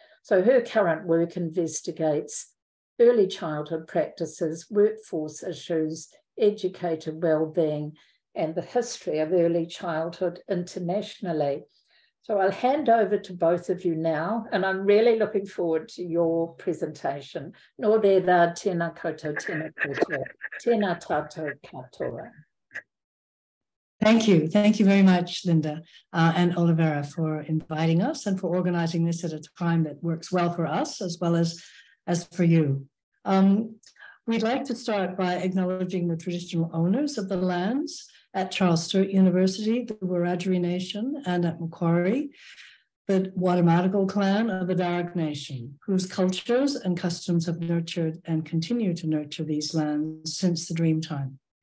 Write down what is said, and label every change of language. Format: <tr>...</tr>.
<en>So her current work investigates early childhood practices, workforce issues, educator wellbeing, and the history of early childhood internationally. So I'll hand over to both of you now, and I'm really looking forward to your presentation.</en> <mi>Nō reira, tēnā koutou, tēnā koutou, tēnā tātou katoa.</mi> <en>Thank you. Thank you very much, Linda and Oliveira, for inviting us and for organizing this at a time that works well for us as well as for you. We'd like to start by acknowledging the traditional owners of the lands at Charles Sturt University, the Wiradjuri Nation, and at Macquarie, the Wadawurrung clan of the Darug Nation, whose cultures and customs have nurtured and continue to nurture these lands since the Dreamtime.</en>